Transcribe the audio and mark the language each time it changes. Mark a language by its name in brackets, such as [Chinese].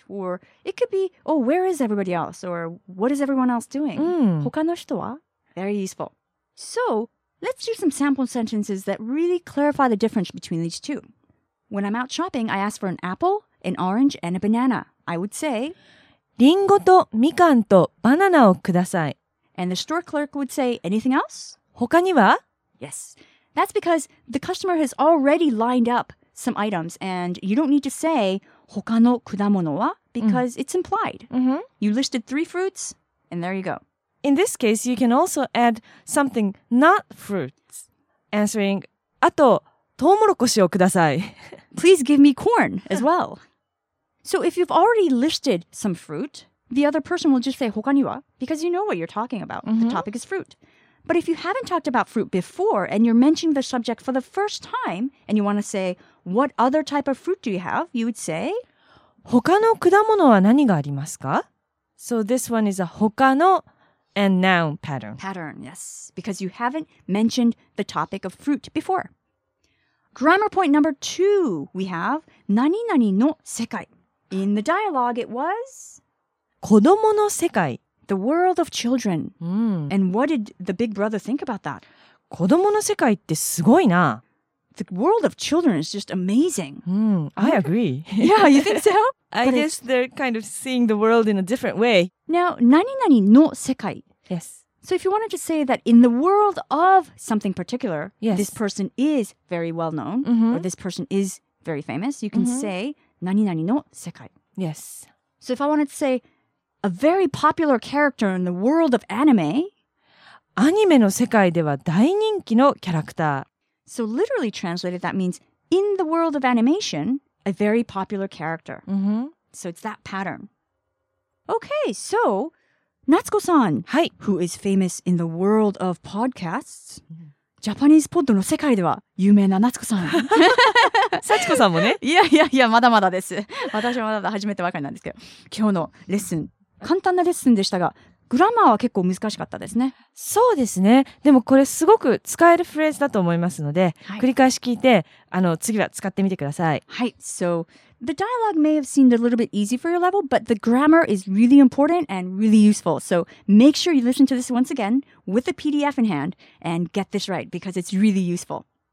[English] Or it could be, oh, where is everybody else? Or what is everyone else doing? [Japanese] 他の人は? [English] Very useful. So let's do some sample sentences that really clarify the difference between these two. When I'm out shopping, I ask for an apple, an orange, and a banana. I would say, [Japanese] リンゴとみかんとバナナをください。 [English] And the store clerk would say, anything else? [Japanese] 他には? [English] Yes. That's because the customer has already lined up some items, and you don't need to say [Japanese] 他の果物は? [English] Because it's implied. Mm-hmm. You listed three fruits, and there you go. In this case, you can also add something not fruits, answering, [Japanese] あとトウモロコシをください。 [English] Please give me corn as well. So if you've already listed some fruit, the other person will just say [Japanese] 他には? [English] Because you know what you're talking about. Mm-hmm. The topic is fruit. But if you haven't talked about fruit before and you're mentioning the subject for the first time and you want to say, what other type of fruit do you have? You would say, [Japanese] 他の果物は何がありますか? [English] So this one is a 他の and noun pattern. Pattern, yes. Because you haven't mentioned the topic of fruit before. Grammar point number two, we have 何々の世界. In the dialogue, it was [Japanese] 子供の世界. [English] The world of children. Mm. And what did the big brother think about that? [Japanese] 子供の世界ってすごいな。 [English] The world of children is just amazing. Mm, I agree. Yeah, you think so? I guess they're kind of seeing the world in a different way. Now, 何々の世界. Yes. So if you wanted to say that in the world of something particular, yes. This person is very well known, mm-hmm. or this person is very famous, you can mm-hmm. say 何々の世界. Yes. So if I wanted to say a very popular character in the world of anime, [Japanese] アニメの世界では大人気のキャラクター. [English] So literally translated, that means in the world of animation, a very popular character. Mm-hmm. So it's that pattern. Okay, so Natsuko-san, [Japanese] はい. [English] Who is famous in the world of podcasts, Japanese Pod [Japanese] の世界では有名な [English] Natsuko-san. [Japanese] Satsuko-san もね. [English] Yeah, yeah, yeah, [Japanese] まだまだです。私はまだ初めてばかりなんですけど。今日のレッスン、簡単なレッスンでしたが、グラマーは結構難しかったですね。そうですね。でもこれすごく使えるフレーズだと思いますので、はい、繰り返し聞いて、次は使ってみてください。はい。 [English] So, the dialogue may have seemed a little bit easy for your level, but the grammar is really important and really useful. So, make sure you listen to this once again with the PDF in hand and get this right because it's really useful.